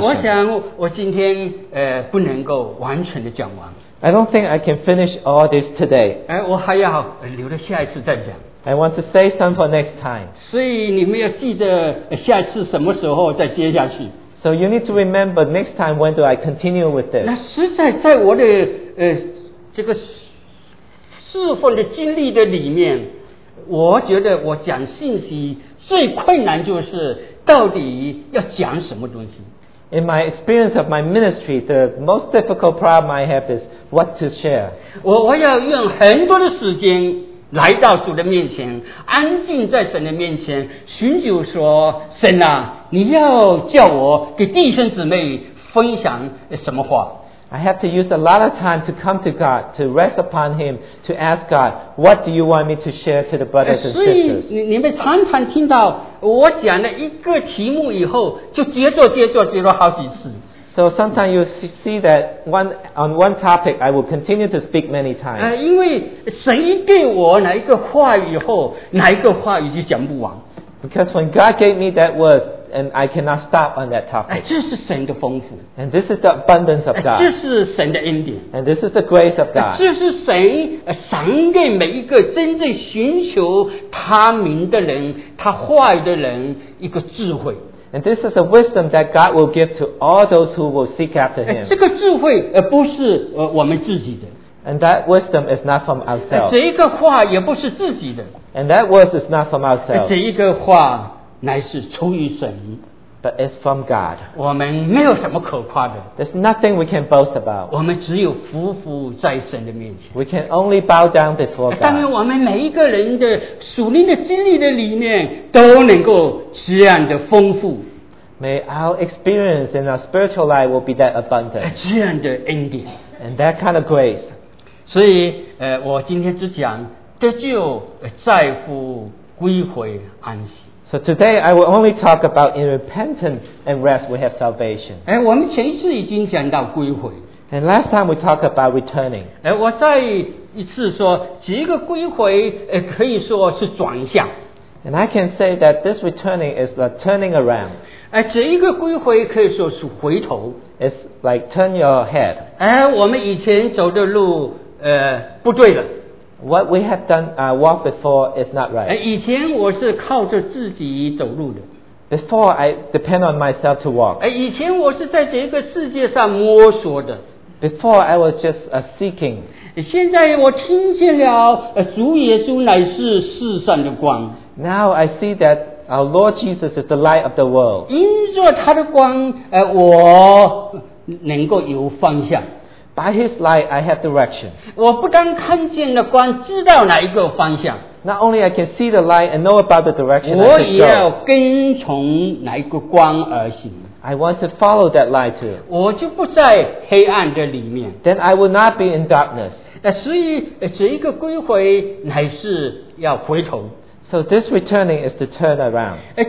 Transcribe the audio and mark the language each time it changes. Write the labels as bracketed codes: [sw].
[zh] 我想我今天不能够完全的讲完。 [en] I don't think I can finish all this today. [zh] 我还要留着下一次再讲。 [en] I want to say some for next time. [zh] 所以你们要记得下一次什么时候再接下去。 [en] So you need to remember next time when do I continue with this. [zh] 那实在在我的这个侍奉的经历的里面，我觉得我讲信息最困难就是到底要讲什么东西。 [en] In my experience of my ministry, the most difficult problem I have is what to share. [zh] 我要用很多的时间来到主的面前，安静在神的面前，寻求说，神啊，你要叫我给弟兄姊妹分享什么话？ [en] I have to use a lot of time to come to God, to rest upon Him, to ask God, what do you want me to share to the brothers and sisters? [zh] 所以你们常常听到我讲了一个题目以后，就接着好几次。 [en] So sometimes you see that on one topic, I will continue to speak many times. [zh] 因为神给我哪一个话语以后，哪一个话语就讲不完。 [en] Because when God gave me that word, and I cannot stop on that topic. [zh] 这是神的丰富。 [en] And this is the abundance of God. [zh] 这是神的恩典。 [en] And this is the grace of God. [zh] 这是神赏给每一个真正寻求他名的人，他话语的人一个智慧。 [en] And this is a wisdom that God will give to all those who will seek after Him. [zh] 这个智慧不是我们自己的。 [en] And that wisdom is not from ourselves. [zh] 这一个话也不是自己的。 [en] And that word is not from ourselves. [zh] 这一个话乃是出于神。 [en] But it's from God. [zh] 我们没有什么可夸的。 [en] There's nothing we can boast about. [zh] 我们只有匍匐在神的面前。 [en] We can only bow down before God. [zh] 但是我们每一个人的属灵的经历的里面都能够这样的丰富。 [en] May our experience in our spiritual life will be that abundant. [zh] 这样的恩典。 [en] And that kind of grace. [zh] 所以我今天只讲得救在乎归回安息。 [en] So today I will only talk about in repentance and rest we have salvation. [zh] 我们前一次已经讲到归回。 [en] And last time we talked about returning. [zh] 我再一次说，这个归回可以说是转向。 [en] And I can say that this returning is a turning around. [zh] 这一个归回可以说是回头。 [en] It's like turn your head. [zh] 我们以前走的路不对了。 [en] What we have done, walk before is not right. [zh] 以前我是靠着自己走路的。 [en] Before I depend on myself to walk. [zh] 以前我是在这个世界上摸索的。 [en] Before I was just seeking. [zh] 现在我听见了，主耶稣乃是世上的光。 [en] Now I see that our Lord Jesus is the light of the world. [zh] 因着他的光，我能够有方向。 [en] By his light, I have direction. [zh] 我不单看见了光，知道哪一个方向。 [en] Not only I can see the light and know about the direction. [zh] 我也要跟从哪一个光而行。 [en] I want to follow that light too. [zh] 我就不在黑暗的里面。 [en] Then I will not be in darkness. [zh] 所以这一个归回乃是要回头。 [en] So this returning is to turn around.